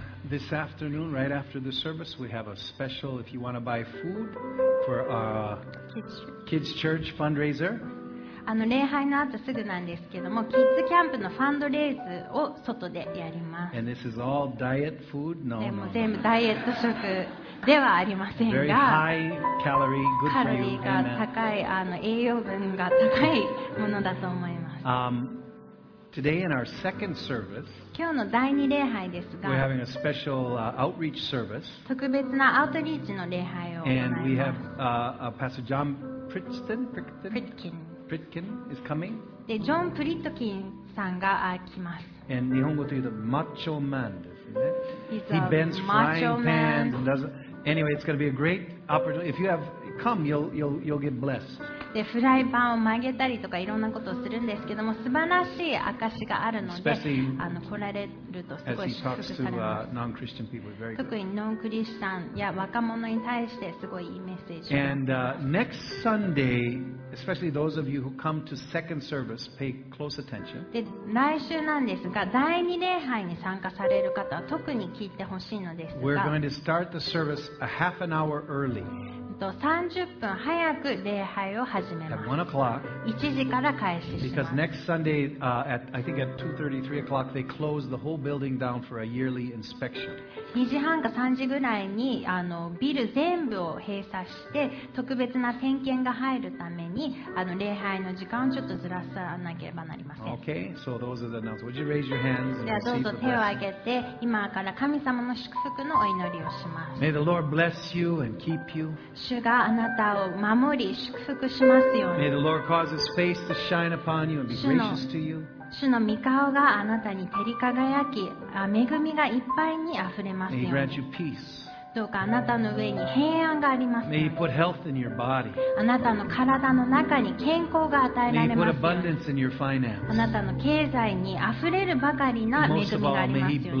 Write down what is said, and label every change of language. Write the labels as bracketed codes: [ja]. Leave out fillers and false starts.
[en] This afternoon, right after the service, we have a special, if you want to buy food for our kids church fundraiser. [ja] あの礼拝の後すぐなんですけども、キッズキャンプのファンドレイズを外でやります。 [en] And this is all diet food? No, [ja] でも全部ダイエット食ではありませんが、 [en] Very high calorie, good for you. [ja] カロリーが高い、あの栄養分が高いものだと思います。 [en] Today in our second service, [ja] 今日の第二礼拝ですが、 [en] we're having a special, outreach service, [ja] 特別なアウトリーチの礼拝を行います。 [en] And we have, Pastor John Pritkin, Pritkin is coming. [ja] でジョン・プリットキンさんが来ます。 And 日本語というとマッチョマンですね。 [en] He's He bends frying pans and does... Anyway, it's going to be a great opportunity. If you have come, you'll get blessed. [ja] でフライパンを曲げたりとかいろんなことをするんですけども素晴らしい証があるのであの来られるとすごい祝福されます。特にノンクリスチャンや若者に対してすごいいいメッセージ。 [en] And, next Sunday, especially those of you who come to second service, pay close attention. [ja] で来週なんですが第二礼拝に参加される方は特に聞いてほしいのですが、 [en] We're going to start the service a half an hour early. [ja] 30分早く礼拝を始めます。1時から開始します。 [en] Because next Sunday, at, I think at 2:30, 3 o'clock, they close the whole building down for a yearly inspection. [ja] 2時半か3時ぐらいにあのビル全部を閉鎖して特別な点検が入るためにあの礼拝の時間をちょっとずらさなければなりません。 [en] Okay, so those are the announcements. Would you raise your hands? [ja] じゃあどうぞ手を挙げて今から神様の祝福のお祈りをします。 [en] May the Lord bless you and keep you. [ja] 主があなたを守り祝福しますように。 [en] May the Lord cause His face to shine upon you and be gracious to you. [ja] 主の御顔があなたに照り輝き、恵みがいっぱいにあふれますように。 [en] May He grant you peace. [ja] どうかあなたの上に平安がありますように。 [en] May He put health in your body. [ja] あなたの体の中に健康が与えられますように。 [en] May He put abundance in your finance. [ja] あなたの経済にあふれるばかりな恵みがありますように。